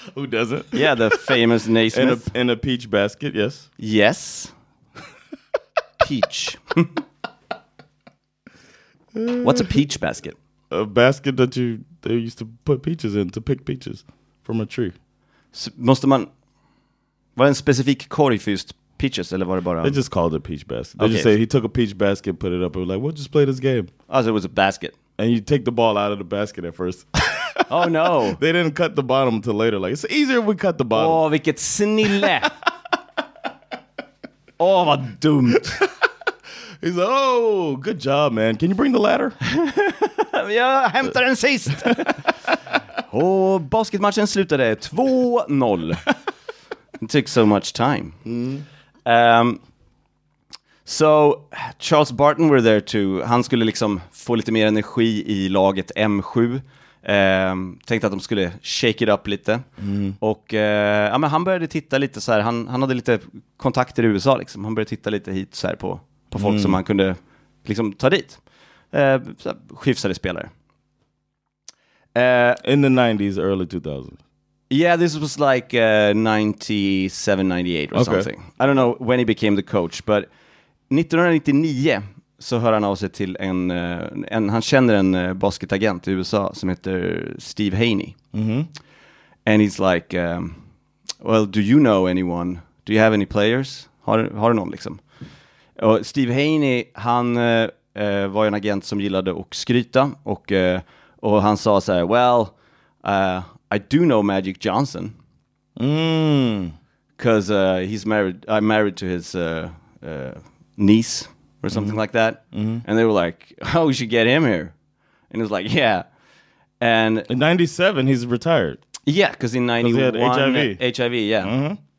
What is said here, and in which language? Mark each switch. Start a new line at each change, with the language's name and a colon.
English: Who doesn't? Yeah, the famous Naismith. In a peach basket, yes. Yes. Peach. What's a peach basket? A basket that they used to put peaches in to pick peaches from a tree.
Swedish: Måste man... Var en specifik korg för just peaches, eller var det bara...
English: They just called it peach basket. They just say he took a peach basket, put it up, and was like, we'll just play this game. Oh, so it was a basket. And you take the ball out of the basket at first. Oh, no. They didn't cut the bottom until later. Like, it's easier if we cut the bottom.
Swedish: Åh, vilket snille. Åh, vad dumt.
English: He's like, oh, good job, man. Can you bring the ladder?
Swedish: Ja, hämtar den sist. Och basketmatchen slutade 2-0.
English: It took so much time. Mm. So, Charles Barton were there too.
Swedish: Han skulle liksom få lite mer energi i laget M7. Tänkte att de skulle shake it up lite. Mm. Och ja, men han började titta lite så här. Han hade lite kontakter i USA liksom. Han började titta lite hit så här på folk som han kunde liksom ta dit. Skiftade spelare.
English: In the 90s, early 2000s. Yeah, this was like 97, 98 or something. I don't know when he became the coach, but
Swedish: 1999 så hör han av sig till en han känner en basketagent i USA som heter Steve Haney.
English: And he's like, well, do you know anyone? Do you have any players?
Swedish: Har du någon liksom? Och Steve Haney, han var en agent som gillade att skryta och han sa så här,
English: well, I do know Magic Johnson. Because I'm married to his niece or something like that. And they were like, oh, we should get him here. And he was like, yeah. And in 97, he's retired. Yeah, because in 91, HIV. HIV, yeah.